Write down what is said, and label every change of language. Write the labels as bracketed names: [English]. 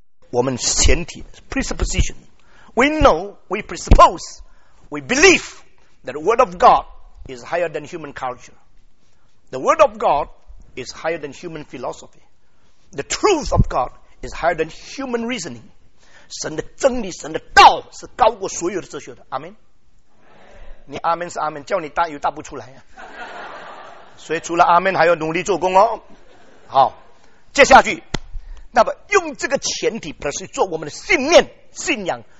[Chinese] 我们前提 presupposition。 [English] We know, we presuppose, we believe that the word of God is higher than human culture. The word of God is higher than human philosophy. The truth of God is higher than human reasoning. [Chinese] 神的真理，神的道是高过所有的哲学的。阿们。你阿们是阿们，叫你答有答不出来、啊、所以除了阿们，还要努力做工哦。好，接下去，那么用这个前提 plus 做我们的信念、信仰。